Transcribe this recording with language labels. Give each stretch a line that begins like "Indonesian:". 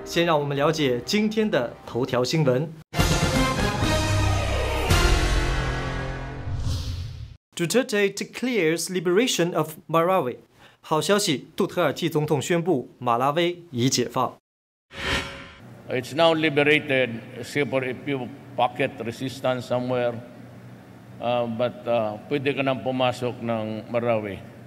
Chinese: 先让我们了解今天的头条新闻。
English: Duterte declares liberation of Marawi。
Chinese: 好消息，杜特尔蒂总统宣布马拉威已解放。
English: It's now liberated, except a few pocket resistance somewhere.
Filipino: But pwede ka nang pumasok ng Marawi.